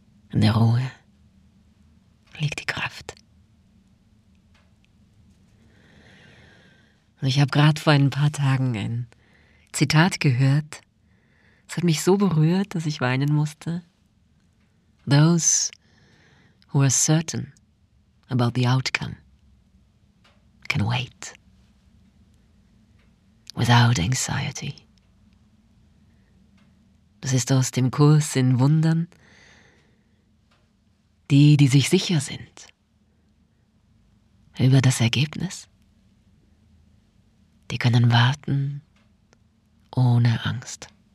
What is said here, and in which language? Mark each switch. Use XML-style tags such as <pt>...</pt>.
<de>In der Ruhe liegt die Kraft. Und ich habe gerade vor ein paar Tagen ein Zitat gehört. Es hat mich so berührt, dass ich weinen musste.</de> <en>Those who are certain about the outcome can wait without anxiety.</en> <de>Das ist aus dem Kurs in Wundern. Die, die sich sicher sind über das Ergebnis, die können warten ohne Angst.</de>